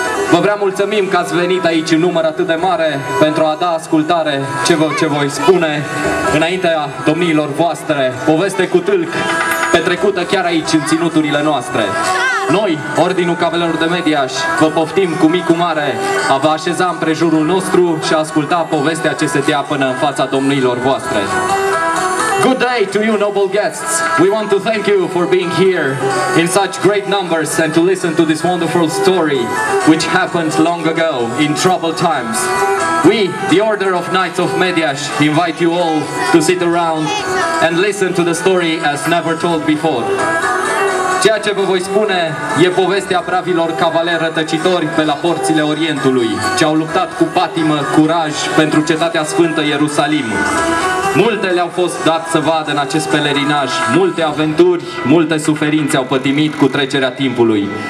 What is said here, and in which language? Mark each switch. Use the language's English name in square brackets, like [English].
[Romanian] Vă prea mulțumim că ați venit aici în număr atât de mare pentru a da ascultare ce voi spune înaintea domniilor voastre, poveste cu tâlc petrecută chiar aici în ținuturile noastre. Noi, Ordinul Cavalerilor de Mediaș, vă poftim cu mic cu mare a vă așeza împrejurul nostru și a asculta povestea ce se dea până în fața domniilor voastre. [English] Good day to you, noble guests. We want to thank you for being here in such great numbers and to listen to this wonderful story which happened long ago in troubled times. We, the Order of Knights of Mediaș, invite you all to sit around and listen to the story as never told before. [Romanian] Ceea ce vă voi spune e povestea bravilor cavaleri rătăcitori pe la porțile Orientului, ce au luptat cu patimă, curaj pentru cetatea sfântă Ierusalim. Multe le-au fost dat să vadă în acest pelerinaj, multe aventuri, multe suferințe au pătimit cu trecerea timpului.